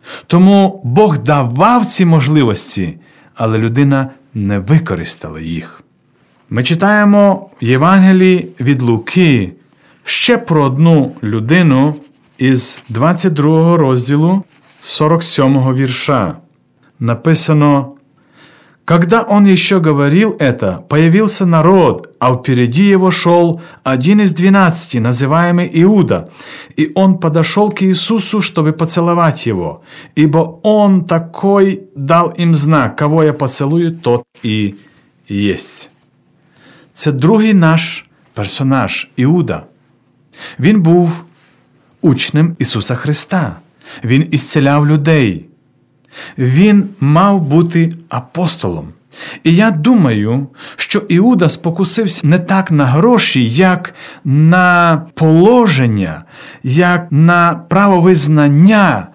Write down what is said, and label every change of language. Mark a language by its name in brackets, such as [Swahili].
[Ukrainian] Тому Бог давав ці можливості, але людина не використала їх. Ми читаємо в Євангелії від Луки ще про одну людину із 22-го розділу 47-го вірша. [Russian] Написано: «Когда он еще говорил это, появился народ, а впереди его шел один из 12, называемый Иуда, и он подошел к Иисусу, чтобы поцеловать его, ибо он такой дал им знак, кого я поцелую, тот и есть». [Ukrainian] Це другий наш персонаж, Иуда. Він був учнем Ісуса Христа. Він ісцеляв людей. Він мав бути апостолом. І я думаю, що Іуда спокусився не так на гроші, як на положення, як на право визнання.